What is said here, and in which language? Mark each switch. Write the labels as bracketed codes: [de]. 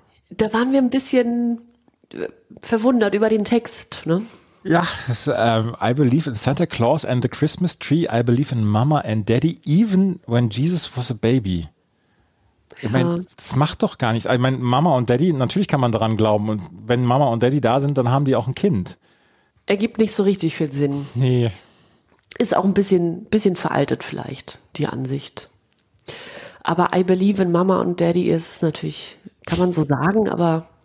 [de] Da waren wir ein bisschen verwundert über den Text, ne? Ja, das ist, [en] I believe in Santa Claus and the Christmas tree. I believe in Mama and Daddy, even when Jesus was a baby. [de] Ich meine, das macht doch gar nichts. Ich meine, Mama und Daddy, natürlich kann man daran glauben. Und wenn Mama und Daddy da sind, dann haben die auch ein Kind. Ergibt nicht so richtig viel Sinn. Nee. Ist auch ein bisschen veraltet vielleicht, die Ansicht. Aber [en] I believe in Mama [de] und Daddy ist natürlich, kann man so sagen, aber...